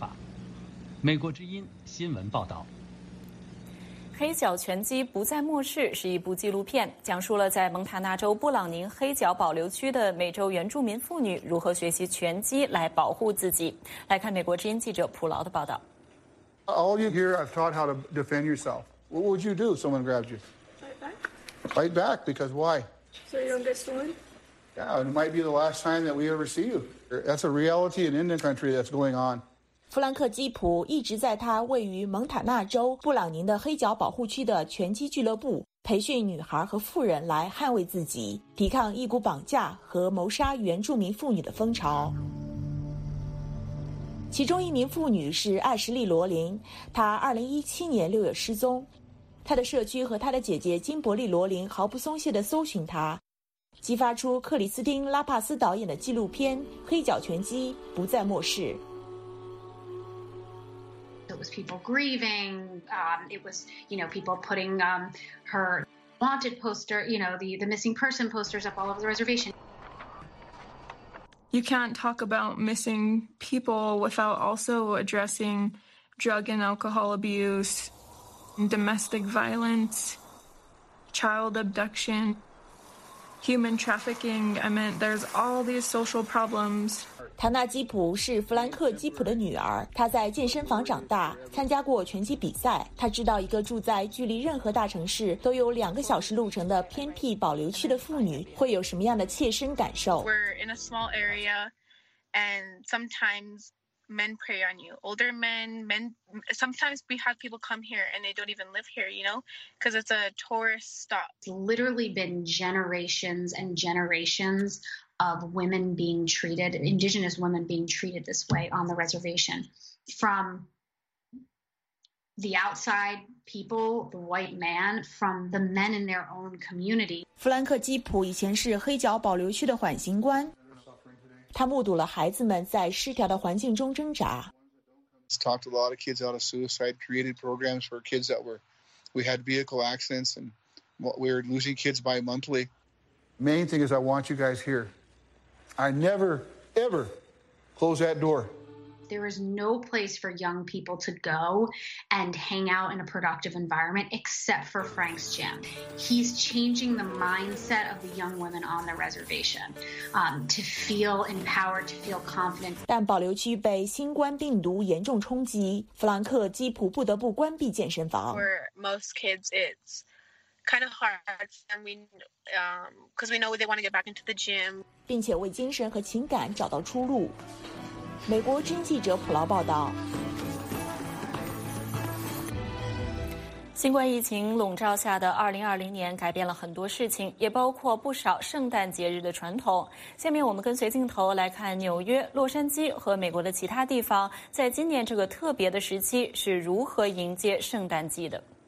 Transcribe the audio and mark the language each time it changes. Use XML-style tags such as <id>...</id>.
<zh>亚马逊雨林遭砍伐破坏的问题已经引起世界各国的关注，包括美国总统当选人拜登，他对此表示关切，并提出了应设立基金来阻止热带雨林遭破坏的想法。美国之音新闻报道。黑脚拳击不在末世是一部纪录片，讲述了在蒙塔纳州布朗宁黑脚保留区的美洲原住民妇女如何学习拳击来保护自己。来看美国之音记者普劳的报道。</zh> <en>All you hear, I've taught how to defend yourself. What would you do if someone grabbed you? Fight back. Fight back, because why? So you don't get stolen? Yeah, and it might be the last time that we ever see you. That's a reality in Indian country that's going on.</en> <zh>弗兰克基普一直在他位于蒙塔纳州布朗宁的黑脚保护区的拳击俱乐部培训女孩和妇人来捍卫自己，抵抗一股绑架和谋杀原住民妇女的风潮。其中一名妇女是艾什利·罗林，她2017年六月失踪，她的社区和她的姐姐金伯利·罗林毫不松懈地搜寻她，激发出克里斯汀·拉帕斯导演的纪录片《黑脚拳击》不再漠视。</zh> <en>It was people grieving. It was, you know, people putting her wanted poster, you know, the missing person posters up all over the reservation. You can't talk about missing people without also addressing drug and alcohol abuse, domestic violence, child abduction. Human trafficking, I meant there's all these social problems.</en> <zh>唐纳基普是弗兰克基普的女儿，她在健身房长大，参加过拳击比赛。她知道一个住在距离任何大城市都有两个小时路程的偏僻保留区的妇女会有什么样的切身感受。</zh> <en>We're in a small area and sometimes men prey on you. Older men, sometimes we have people come here and they don't even live here, you know, because it's a tourist stop. It's literally been generations and generations of women being treated, indigenous women being treated this way on the reservation. From the outside people, the white man, from the men in their own community.</en> <zh>弗兰克·基普以前是黑脚保留区的缓刑官。他目睹了孩子们在失调的环境中挣扎。</zh> <en>It's talked a lot of kids out of suicide, created programs for kids that were, we had vehicle accidents and we were losing kids bi-monthly. Main thing is I want you guys here. I never, ever close that door. There is no place for young people to go and hang out in a productive environment except for Frank's gym. He's changing the mindset of the young women on the reservation, to feel empowered, to feel confident.</en> <zh>但保留区被新冠病毒严重冲击，弗兰克基普不得不关闭健身房。</zh> <en>For most kids, it's kind of hard, and because we know they want to get back into the gym.</en> <zh>并且为精神和情感找到出路。美国之音记者普劳报道。新冠疫情笼罩下的2020年改变了很多事情，也包括不少圣诞节日的传统。下面我们跟随镜头来看纽约、洛杉矶和美国的其他地方，在今年这个特别的时期是如何迎接圣诞季的。</zh>